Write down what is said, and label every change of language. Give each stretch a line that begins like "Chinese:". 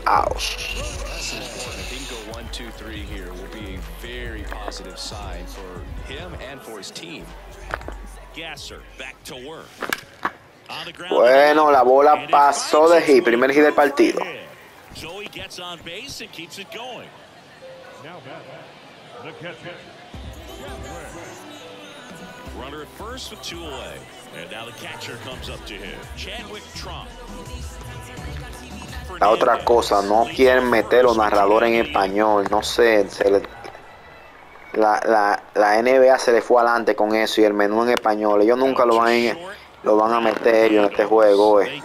English: I think a 1-2-3 here will be a very positive sign for him and for his team. Gasser back to work.
Spanish: Bueno, la bola pasó de hit, primer hit del partido.
English: Joey gets on base and keeps it going. Now back. The catch. Runner at first with two away. And now the catcher comes up to him. Chadwick Trump.
Spanish: La otra cosa, no quieren meter los narradores en español. No sé, la NBA se le fue adelante con eso y el menú en español. Ellos nunca lo van a meter ellos en este juego.